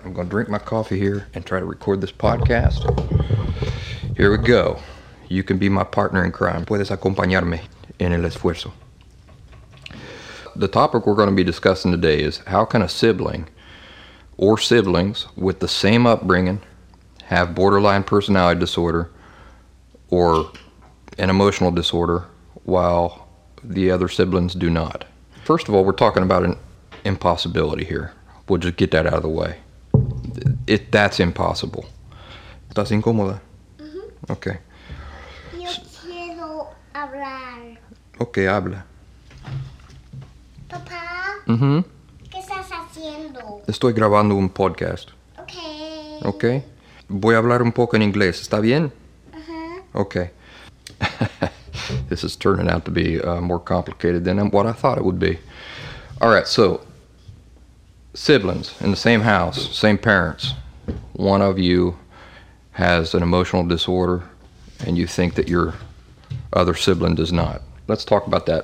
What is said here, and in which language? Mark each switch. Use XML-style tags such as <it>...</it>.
<en>I'm going to drink my coffee here and try to record this podcast. Here we go. You can be my partner in crime.</en> <es>Puedes acompañarme en el esfuerzo.</es> <en>The topic we're going to be discussing today is how can a sibling or siblings with the same upbringing have borderline personality disorder or an emotional disorder, while the other siblings do not? First of all, we're talking about an impossibility here. We'll just get that out of the way. That's impossible.</en> <es>¿Estás incómoda? Mm-hmm.</es> <en>Okay.</en> <es>Yo quiero hablar. Okay, habla. Papá? Mm-hmm. ¿Qué estás haciendo? Estoy grabando un podcast.</es> <en>Okay. Okay.</en> <es>Voy a hablar un poco en inglés. ¿Está bien? Mm-hmm.</es> <en>Okay. This is turning out to be more complicated than what I thought it would be. All right, so siblings in the same house, same parents. One of you has an emotional disorder and you think that your other sibling does not. Let's talk about that.</en>